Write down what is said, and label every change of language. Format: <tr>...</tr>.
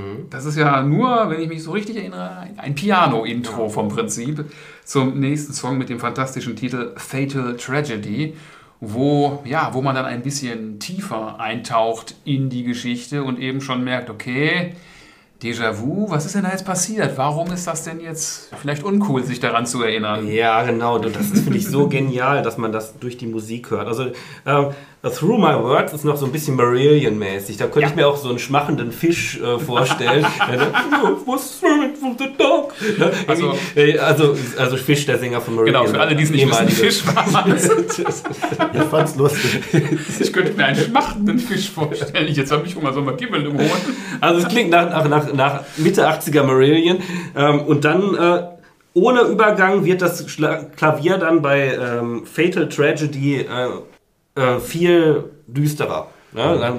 <de>Das ist ja nur, wenn ich mich so richtig erinnere, ein Piano-Intro vom Prinzip zum nächsten Song mit dem fantastischen Titel Fatal Tragedy, wo man dann ein bisschen tiefer eintaucht in die Geschichte und eben schon merkt, okay, Déjà-vu, was ist denn da jetzt passiert? Warum ist das denn jetzt vielleicht uncool, sich daran zu erinnern? Ja, genau, das finde ich so genial, dass man das durch die Musik hört. Also Through My Words ist noch so ein bisschen Marillion-mäßig. Da könnte ich mir auch so einen schmachenden Fisch vorstellen.</de> <en>What's wrong with the dog?</en> <de>Also Fisch, der Sänger von Marillion. Genau, für alle, die es nicht wissen, Fisch war. Ich fand's lustig. Ich könnte mir einen schmachenden Fisch vorstellen. Jetzt habe ich Hunger, so mal Gibbel im Horn. Also es klingt nach Mitte 80er Marillion. Und dann... ohne Übergang wird das Klavier dann bei Fatal Tragedy viel düsterer. Ne?</de>